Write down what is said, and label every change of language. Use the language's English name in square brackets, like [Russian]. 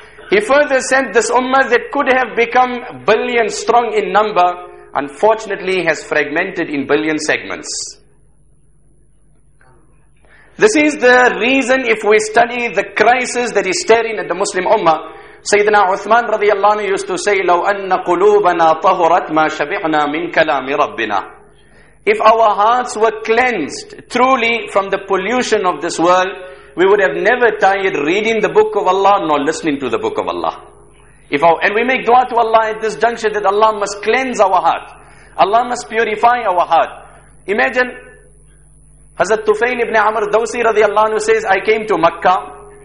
[English] He further said, this ummah that could have become billion strong in number, unfortunately has fragmented in billion segments. This is the reason, if we study the crisis that is staring at the Muslim ummah. Sayyidina Uthman radiallahu anhu used to say, [Arabic] لَوْ أَنَّ قُلُوبَنَا طَهُرَتْ مَا شَبِعْنَا مِنْ كَلَامِ رَبِّنَا. [English] If our hearts were cleansed truly from the pollution of this world, we would have never tired reading the book of Allah nor listening to the book of Allah. And we make dua to Allah at this juncture that Allah must cleanse our heart. Allah must purify our heart. Imagine, Hazrat Tufail ibn Amr Dawsi radiallahu anhu says, I came to Makkah.